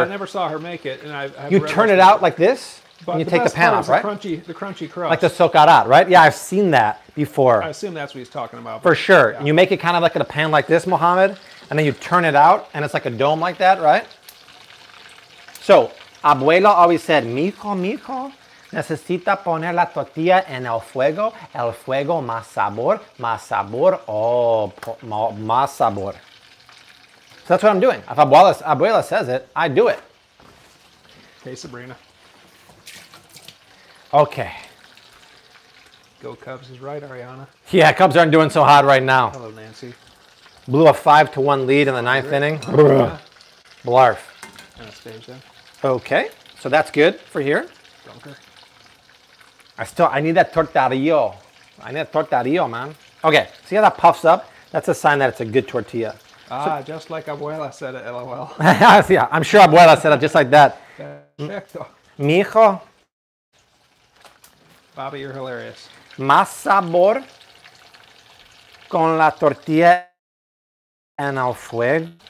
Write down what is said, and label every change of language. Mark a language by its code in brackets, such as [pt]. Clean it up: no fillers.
[en] I never saw her make it. And I've you turn it out like this but and you take the pan off, right? The crunchy crust. Like the socarrat, right? Yeah, I've seen that before. I assume that's what he's talking about. For sure. Yeah. You make it kind of like in a pan like this, Mohammed, and then you turn it out and it's like a dome like that, right? So [es] Abuela always said, mijo, mijo, necesita poner la tortilla en el fuego más sabor, más sabor, oh, más sabor. [en] So that's what I'm doing. If Abuela says it, I do it. Hey, Sabrina. Okay. Go Cubs is right, Ariana. Yeah, Cubs aren't doing so hot right now. Hello, Nancy. Blew a 5-1 lead in the ninth inning. Blarf. Anastasia. Okay, so that's good for here. Dunker. I need that tortadillo. I need a tortadillo, man. Okay, see how that puffs up? That's a sign that it's a good tortilla. Just like Abuela said it, LOL. Yeah, I'm sure Abuela said it just like that. [es] Mijo. [en] Bobby, you're hilarious. [es] Más sabor con la tortilla en el fuego.